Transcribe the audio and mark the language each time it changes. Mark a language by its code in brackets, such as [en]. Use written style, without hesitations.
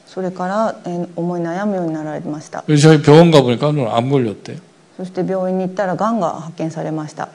[ko] 그래서 [ja] から思い悩むようになられました。 [ko] 자기병원가보니까암걸렸대 [ja] そして病院に行ったらがんが発見されました。